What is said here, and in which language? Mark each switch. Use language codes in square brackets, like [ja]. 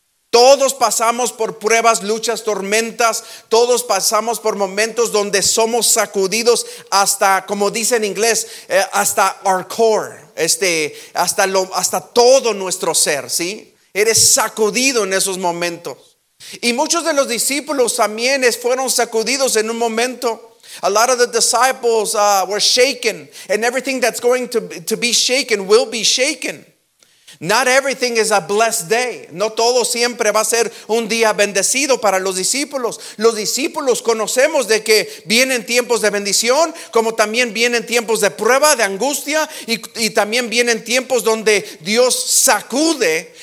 [es] Todos pasamos por pruebas, luchas, tormentas. Todos pasamos por momentos donde somos sacudidos hasta, como dice en inglés, hasta [en] our core, [es] hasta todo nuestro ser, ¿sí? Eres sacudido en esos momentos. Y muchos de los discípulos también fueron sacudidos en un momento. [en] A lot of the disciples were shaken, and everything that's going to be shaken will be shaken. Not everything is a blessed day. [es] No todo siempre va a ser un día bendecido para los discípulos. Los discípulos conocemos de que vienen tiempos de bendición, como también vienen tiempos de prueba, de angustia, y también vienen tiempos donde Dios sacude.